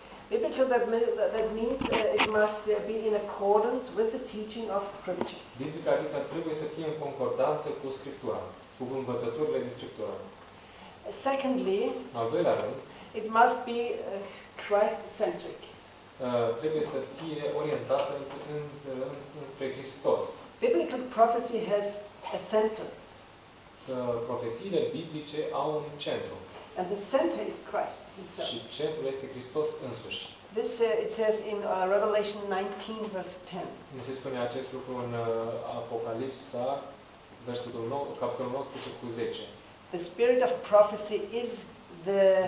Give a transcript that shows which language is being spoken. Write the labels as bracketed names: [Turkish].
[English] Biblical, that means it must be in accordance with the teaching of Scripture. [Romanian] Biblica, adică, trebuie să fie în concordanță cu Scriptura, cu învățăturile din Scriptură. [English] Secondly, [Romanian] al doilea rând, [English] it must be Christ-centric. [Romanian] Trebuie să fie orientată înspre Hristos. [English] Biblical prophecy has a center. [Romanian] Profețiile biblice au un centru. [English] And the center is Christ himself. [Romanian] Și centrul este Hristos însuși. [English] This it says in Revelation 19:10. [Romanian] Se spune acest lucru în Apocalipsa, versetul 9, capitolul 19 cu 10. [English] The spirit of prophecy is the